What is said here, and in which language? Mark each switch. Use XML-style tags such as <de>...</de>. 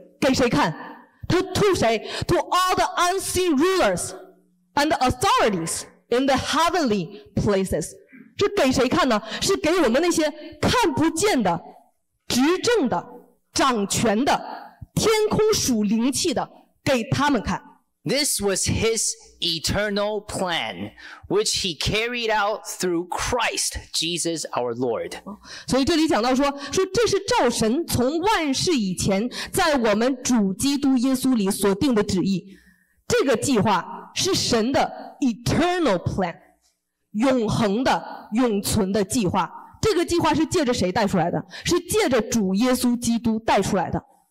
<en>给谁看？ To 谁？To all the unseen rulers and the authorities in the heavenly places. 这给谁看呢？</en> <zh>是给我们那些看不见的、执政的、掌权的、天空属灵气的，给他们看。</zh> <en>This was his eternal plan, which he carried out through Christ Jesus our Lord.</en> <zh>所以这里讲到说这是照神从万世以前在我们主基督耶稣里所定的旨意。这个计划是神的 eternal plan, 永恒的、永存的计划。这个计划是借着谁带出来的？是借着主耶稣基督带出来的。</zh>